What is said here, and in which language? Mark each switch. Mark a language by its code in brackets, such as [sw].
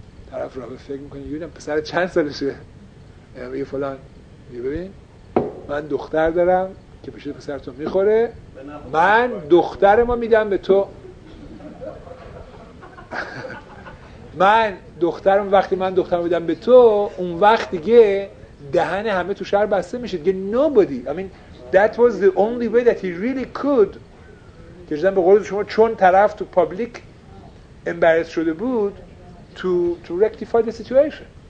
[fa] طرف راه فکر میکنه ببینم پسر چند سالشه، میگه فلان میگه ببین من دختر دارم که پیش پسر تو میخوره، من دخترمو میدم به تو، من دخترم وقتی من دخترم میدم به تو اون وقت دیگه دهن همه تو شهر بسته میشه دیگه nobody. [en] I mean that was the only way that he really could. [fa] که جدن به قول شما چون طرف تو پابلیک امبرس شده بود [en] to rectify the situation.